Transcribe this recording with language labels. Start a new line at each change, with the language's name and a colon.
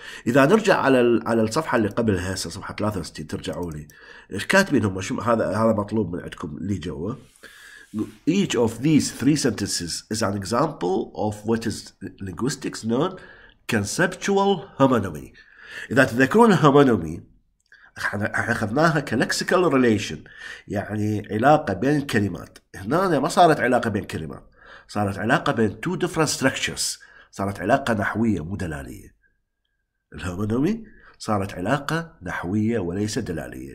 Arabic: إذا نرجع على الصفحة اللي قبلها هسه صفحة 63 ترجعوا لي إيش كاتبين هم شو هذا مطلوب من عندكم اللي جوا.
English: Each of these three sentences is an example of what is linguistics known conceptual homonymy.
Arabic: إذا تذكرون homonymy أخذناها ك
English: lexical relation
Arabic: يعني علاقة بين الكلمات. هنا ما صارت علاقة بين كلمات صارت علاقة بين
English: two different structures
Arabic: صارت علاقة نحوية مدلالية. الهومونومي صارت علاقة نحوية وليس دلالية.